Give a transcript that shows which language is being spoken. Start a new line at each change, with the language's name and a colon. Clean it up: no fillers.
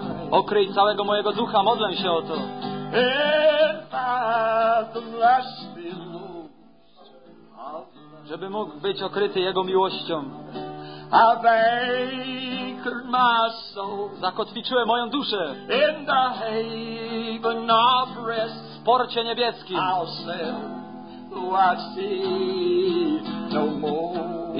Polish: Okryj całego mojego ducha, modlę się o to.
English: In fathomless billows of love.
Polish: Żeby mógł być okryty Jego miłością.
English: I've anchored my soul.
Polish: Zakotwiczyłem moją duszę.
English: In the haven of rest.
Polish: W porcie niebieskim.
English: I'll sail though I see no more.